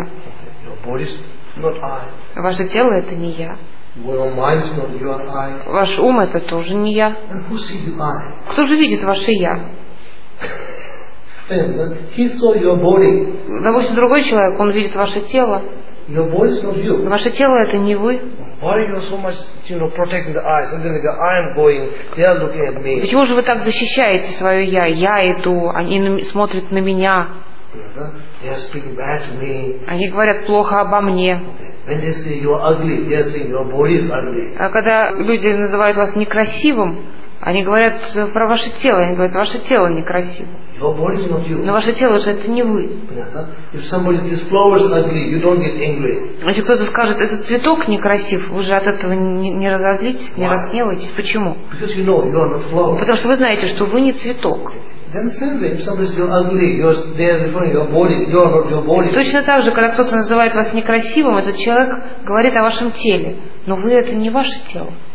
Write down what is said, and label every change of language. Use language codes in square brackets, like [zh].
[en] Your body is not I. [ru] Ваше тело это не я. [en] Your mind is not your I. [ru] Ваш ум это тоже не я. [en] And who see you I? [ru] Кто же видит ваше я? [en] He saw your body. [ru] Допустим, другой человек, он видит ваше тело. [en] Your body is not you. [ru] Ваше тело это не вы. [en] Why are you so much, you know, protecting the eyes? And then they go, I am going, they are looking at me. [ru] Почему же вы так защищаете свое я? Я иду, они смотрят на меня. [en] They are speaking bad to me. [ru] Они говорят плохо обо мне. [en] When they say you are ugly, they are saying your body is ugly. [ru] А когда люди называют вас некрасивым, они говорят про ваше тело, они говорят, ваше тело некрасиво. [en] Your body is not you. [ru] Но ваше тело же это не вы. [en] If somebody says flowers ugly, you don't get angry. [ru] Если кто-то скажет, этот цветок некрасив, вы же от этого не разозлитесь, не разгневаетесь. Почему? [en] Because you know you are not flower. [ru] Потому что вы знаете, что вы не цветок. [en] Then same way, if somebody says you're ugly, they are referring to your body, you are not your body. [ru] Точно так же, когда кто-то называет вас некрасивым, этот человек говорит о вашем теле, но вы это не ваше тело.